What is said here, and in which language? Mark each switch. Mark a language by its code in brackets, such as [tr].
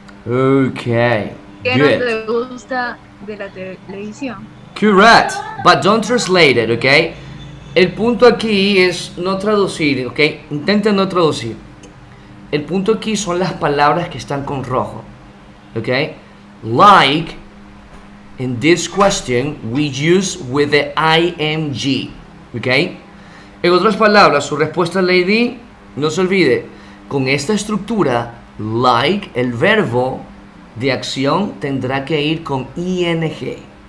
[en] Okay, good. [es] ¿Qué no te gusta de la televisión? [en] Correct, but don't translate it, [es] okay? El punto aquí es no traducir, okay? Intenta no traducir. El punto aquí son las palabras que están con rojo, okay? [en] Like, in this question, we use with the ing, okay? [es] En otras palabras, su respuesta, lady, no se olvide, con esta estructura, like, el verbo de acción tendrá que ir con ing.